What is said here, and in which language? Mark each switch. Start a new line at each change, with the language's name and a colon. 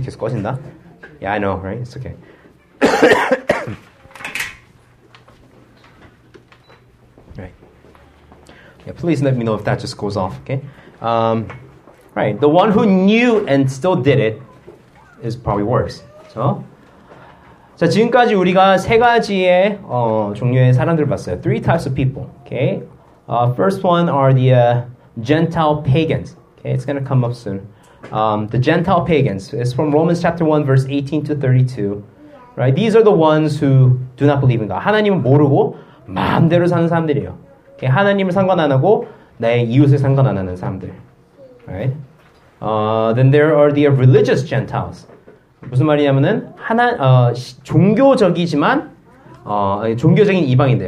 Korean: 계속 꺼진다.
English: Yeah, I know, right? It's okay. 네, please let me know if that just goes off, okay? Right, the one who knew and still did it is probably worse.
Korean: 그렇죠? 자, 지금까지 우리가 세 가지의 종류의 사람들을 봤어요.
English: Three types of people, okay? First one are the Gentile pagans. Okay, it's gonna come up soon. The Gentile pagans. It's from Romans chapter 1, verse 18 to 32. Right, these are the ones who do not believe in God.
Korean: 하나님을 모르고 마음대로 사는 사람들이에요. 하나님을 상관 안 하고 나의 이웃을 상관 안 하는 사람들.
English: Right? Then there are the religious Gentiles.
Korean: 무슨 말이냐면은 종교적이지만 종교적인 이방인들.